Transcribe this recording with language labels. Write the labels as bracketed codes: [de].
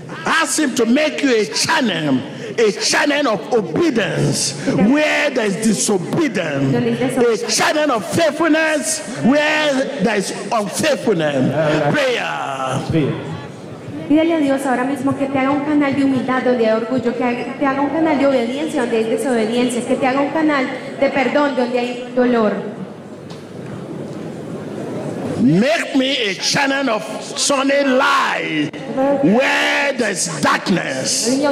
[en] Ask him to make you a channel of obedience where there is disobedience, a channel of faithfulness where there is unfaithfulness. Prayer. [es] Pídele a Dios ahora mismo que te haga un canal de humildad donde hay orgullo, que te haga un canal de obediencia donde hay desobediencia, que te haga un canal de perdón donde hay dolor. [en] Make me a channel of sunny light where there's darkness.